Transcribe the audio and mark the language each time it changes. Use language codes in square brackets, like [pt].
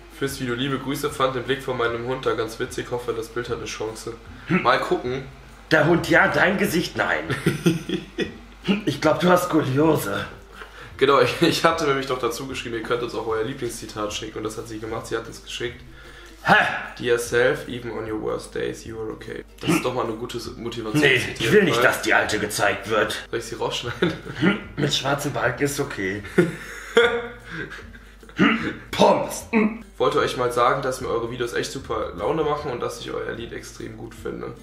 [de] Fürs Video liebe Grüße, fand den Blick von meinem Hund da ganz witzig, hoffe das Bild hat eine Chance. Mal gucken. Der Hund ja, dein Gesicht nein. Ich glaube, du hast Skoliose. Genau, ich hatte nämlich doch dazu geschrieben, ihr könnt uns auch euer Lieblingszitat schicken und das hat sie gemacht, sie hat es geschickt. Ha! [en] Dear self, even on your worst days, you are okay. [de] Das ist doch mal eine gute Motivation. Nee, ich will nicht, dass die Alte gezeigt wird. Soll ich sie rausschneiden? Mit schwarzem Balken ist okay. Pommes! Wollte euch mal sagen, dass mir eure Videos echt super Laune machen und dass ich euer Lied extrem gut finde.